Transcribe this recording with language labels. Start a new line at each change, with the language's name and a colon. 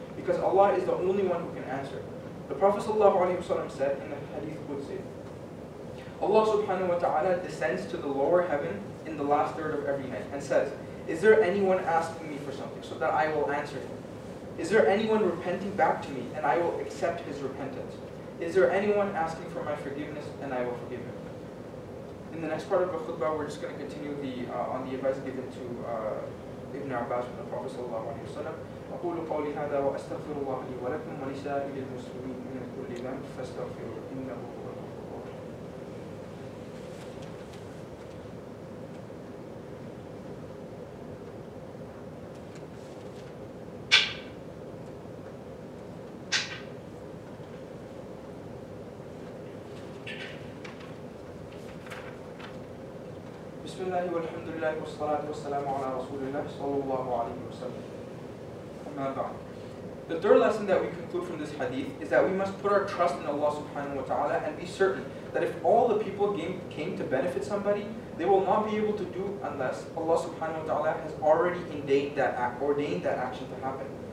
English: because Allah is the only one who can answer. The Prophet ﷺ said in the Hadith Qudsi, Allah subhanahu wa ta'ala descends to the lower heaven in the last third of every night and says, is there anyone asking me for something so that I will answer him? Is there anyone repenting back to me and I will accept his repentance? Is there anyone asking for my forgiveness and I will forgive him? In the next part of the khutbah, we're just going to continue the on the advice given to Ibn Abbas from the Prophet sallallahu alaihi wasallam.
Arabic: أقول قولي هذا وأستغفر الله لي ولكم ولسائر المسلمين من كل ذنب فاستغفروا إنه هو الغفور. بسم الله والحمد لله والصلاة والسلام على رسول الله صلى الله عليه وسلم.
English: The third lesson that we conclude from this hadith is that we must put our trust in Allah subhanahu wa ta'ala and be certain that if all the people came to benefit somebody, they will not be able to do unless Allah subhanahu wa ta'ala has already ordained that action to happen.